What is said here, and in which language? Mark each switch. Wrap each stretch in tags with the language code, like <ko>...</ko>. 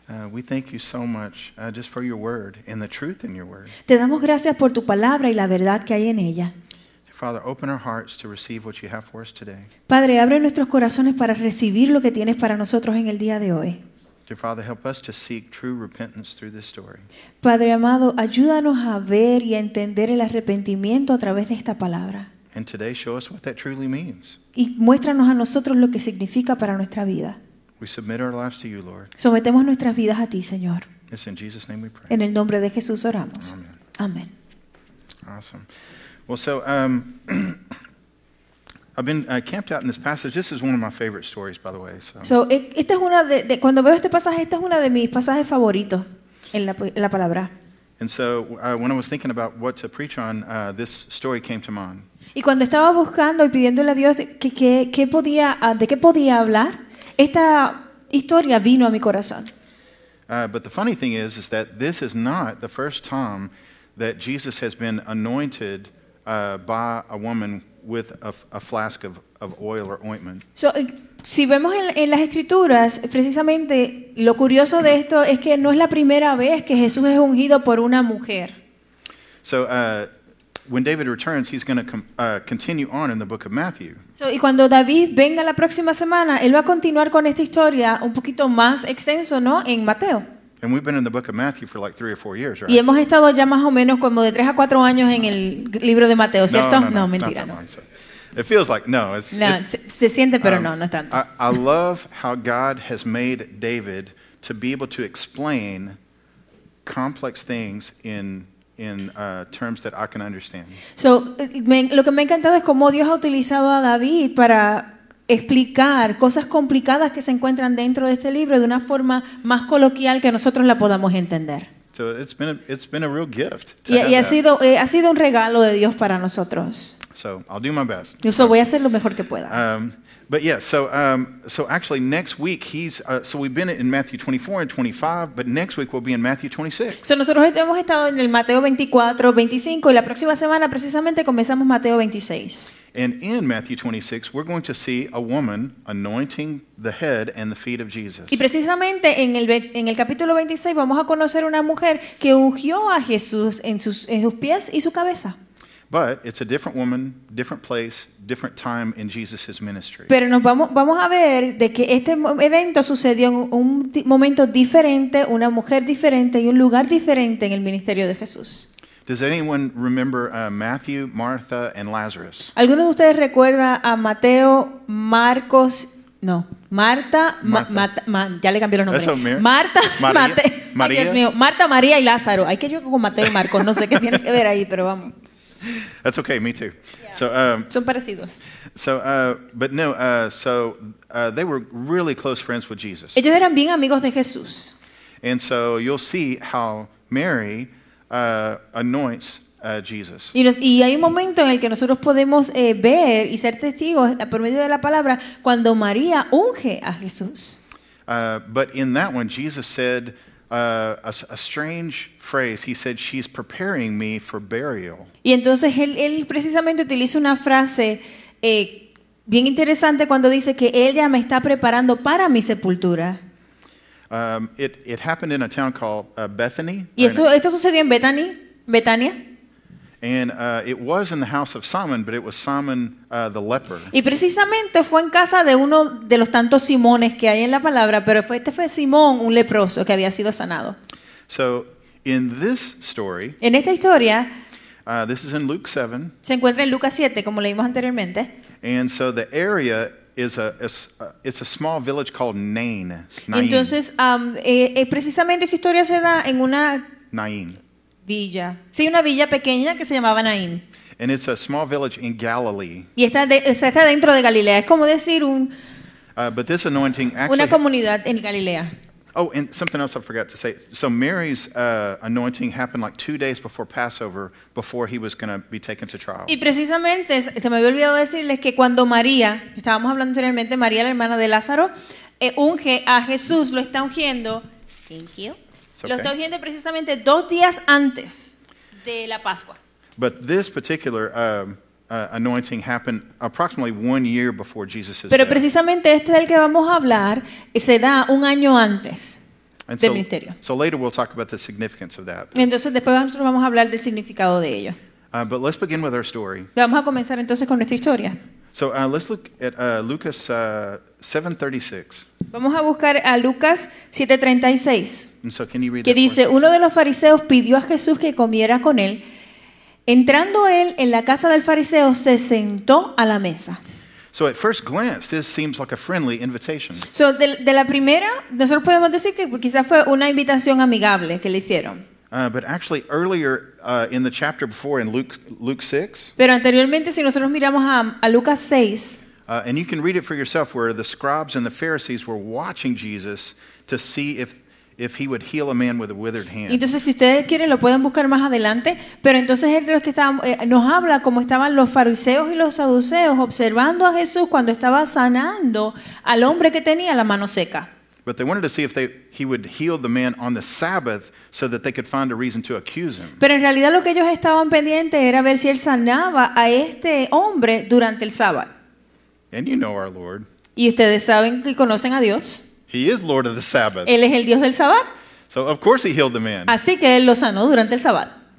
<en>we thank you so much just for your word and the truth in your word.</en> <es>Te damos gracias por tu palabra y la verdad que hay en ella.</es> <en>Father, open our hearts to receive what you have for us today.</en> <es>Padre, abre nuestros corazones para recibir lo que tienes para nosotros en el día de hoy.</es> <en>Dear Father, help us to seek true repentance through this story.</en> <es>Padre amado, ayúdanos a ver y a entender el arrepentimiento a través de esta palabra.</es> <en>And today, show us what that truly means.</en> <es>Y muéstranos a nosotros lo que significa para nuestra vida.</es> <en>We submit our lives to you, Lord.</en> <es>Sometemos nuestras vidas a ti, Señor.</es> <en>Yes, in Jesus' name we pray.</en> <es>En el nombre de Jesús oramos.</es> <en>Amen.</en> <es>Amen.</es> <en>Awesome. Well, so I've been camped out in this passage. This is one of my favorite stories, by the way. So</en> <es>esta es una de cuando veo este pasaje, esta es una de mis pasajes favoritos en la palabra.</es> <en>And so when I was thinking about what to preach on, this story came to mind.</en> <es>Y cuando estaba buscando y pidiéndole a Dios qué podía de qué podía hablar, esta historia vino a mi corazón.</es> <en>But the funny thing is that this is not the first time that Jesus has been anointed by a woman with a flask of oil or ointment.</en> <es>So, si vemos en las escrituras, precisamente lo curioso de esto es que no es la primera vez que Jesús es ungido por una mujer.</es> <en>So, when David returns, he's going to continue on in the book of Matthew.</en> <es>So, y cuando David venga la próxima semana, él va a continuar con esta historia un poquito más extenso, ¿no? En Mateo.</es> <en>And we've been in the book of Matthew for like 3 or 4 years, right?</en> <es>Y hemos estado ya más o menos como de 3 a 4 años en el libro de Mateo, ¿cierto? No, mentira,</es> <en>no. It feels like no. It's, no, it's,</en> <es>se siente, pero no es tanto.</es> <en>I love how God has made David to be able to explain complex things in terms that I can understand.</en> <es>So, lo que me ha encantado es cómo Dios ha utilizado a David para explicar cosas complicadas que se encuentran dentro de este libro de una forma más coloquial que nosotros la podamos entender.</es> <en>So it's been a real gift.</en> <es>Ha sido un regalo de Dios para nosotros.</es> <en>So I'll do my best.</en> <es>Eso voy a hacer lo mejor que pueda.</es> <en>But yeah, so actually next week so we've been in Matthew 24 and 25, but next week we'll be in Matthew 26.</en> <es>So nosotros hemos estado en el Mateo 24, 25, y la próxima semana precisamente comenzamos Mateo 26.</es> <en>And in Matthew 26, we're going to see a woman anointing the head and the feet of Jesus.</en> <es>Y precisamente en el capítulo 26 vamos a conocer una mujer que ungió a Jesús en sus pies y su cabeza.</es> <en>But it's a different woman, different place, different time in Jesus' ministry.</en> <es>Pero vamos a ver de que este evento sucedió en un momento diferente, una mujer diferente y un lugar diferente en el ministerio de Jesús.</es> <en>Does anyone remember Matthew, Martha, and Lazarus?</en> <es>¿Alguno de ustedes recuerda a Mateo, Marcos? No, Marta, ya le cambié los nombres. Marta, María. Dios mío, Marta, María y Lázaro. Hay que yo con Mateo y Marcos. No sé qué tiene que ver ahí, pero vamos.</es> <en>That's okay, me too. Yeah. So</en> <es>son parecidos.</es> <en>So but no, so they were really close friends with Jesus.</en> <es>Ellos eran bien amigos de Jesús.</es> <en>And so you'll see how Mary anoints Jesus.</en> <es>Y hay un momento en el que nosotros podemos ver y ser testigos por medio de la palabra cuando María unge a Jesús.</es> <en>But in that one Jesus said a strange phrase. He said, "She's preparing me for burial."</en> <es>Y entonces él precisamente utiliza una frase bien interesante cuando dice que ella me está preparando para mi sepultura.</es> <en>It happened in a town called Bethany.</en> <es>Y esto sucedió en Betania.</es> <en>And it was in the house of Simon, but it was Simon the leper.</en> <es>Y precisamente fue en casa de uno de los tantos Simones que hay en la palabra, pero este fue Simón, un leproso que había sido sanado.</es> <en>So, in this story,</en> <es>en esta historia,</es> <en>this is in Luke 7.</en> <es>Se encuentra en Lucas 7, como leímos anteriormente.</es> <en>And so the area is it's a small village called Nain.</en> <es>Entonces, precisamente esta historia se da en una Nain. Villa. Sí, una villa pequeña que se llamaba Nain.</es> <en>And it's a small village in Galilee.</en> <es>Y está dentro de Galilea. Es como decir</es> <en>but this anointing actually,</en> <es>una comunidad en Galilea.</es> <en>Oh, and something else I forgot to say. So Mary's anointing happened like 2 days before Passover, before he was going to be taken to trial.</en> <es>Y precisamente, se me había olvidado decirles que cuando María, estábamos hablando anteriormente, María, la hermana de Lázaro, unge a Jesús, lo está ungiendo.</es> <en>Thank you. Okay.</en> <es>Lo está ungiendo precisamente 2 días antes de la Pascua.</es> <en>But this particular anointing happened approximately 1 year before Jesus' death.</en> <es>Pero precisamente este del que vamos a hablar se da un año antes del ministerio.</es> <en>So later we'll talk about the significance of that.</en> <es>Entonces después nosotros vamos a hablar del significado de ello.</es> <en>But let's begin with our story.</en> <es>Vamos a comenzar entonces con nuestra historia.</es> <en>So let's look at Lucas 7:36.</en> <es>Vamos a buscar a Lucas 7:36.</es> <en>And so can you read</en> <es>que dice, uno de los fariseos pidió a Jesús que comiera con él. Entrando él en la casa del fariseo, se sentó a la mesa.</es> <en>So at first glance, this seems like a friendly invitation.</en> <es>So de la primera, nosotros podemos decir que quizás fue una invitación amigable que le hicieron.</es> <en>But actually, earlier in the chapter before, in Luke 6.</en> <es>Pero anteriormente, si nosotros miramos a Lucas 6.</es> <en>And you can read it for yourself, where the scribes and the Pharisees were watching Jesus to see if he would heal a man with a withered hand.</en> <es>Entonces, si ustedes quieren, lo pueden buscar más adelante. Pero entonces, él nos habla cómo estaban los fariseos y los saduceos observando a Jesús cuando estaba sanando al hombre que tenía la mano seca.</es> <en>But they wanted to see if he would heal the man on the Sabbath so that they could find a reason to accuse him.</en> <es>Pero en realidad lo que ellos estaban pendientes era ver si él sanaba a este hombre durante el sábado.</es> <en>And you know our Lord.</en> <es>Y ustedes saben y conocen a Dios.</es> <en>He is Lord of the Sabbath.</en> <es>Él es el Dios del sábado.</es> <en>So of course he healed the man.</en> <es>Así que él lo sanó durante el sábado.</es>